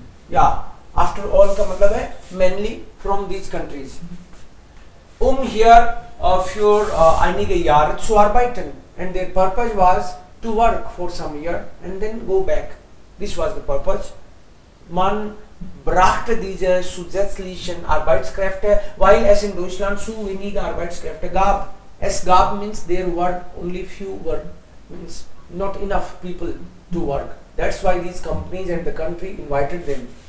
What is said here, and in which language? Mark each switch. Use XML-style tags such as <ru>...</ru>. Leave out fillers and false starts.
<en>Yeah, after all</en> <hi>ka matlab hai</hi> <en>mainly from these countries. Here for</en> <de>einige Jahre zu arbeiten,</de> <en>and their purpose was to work for some year and then go back. This was the purpose.</en> <de>Man brachte diese zusätzlichen Arbeitskräfte, weil es in Deutschland zu wenige Arbeitskräfte gab. Es gab</de> <en>means there were only few work, means not enough people to work. That's why these companies and the country invited them.</en>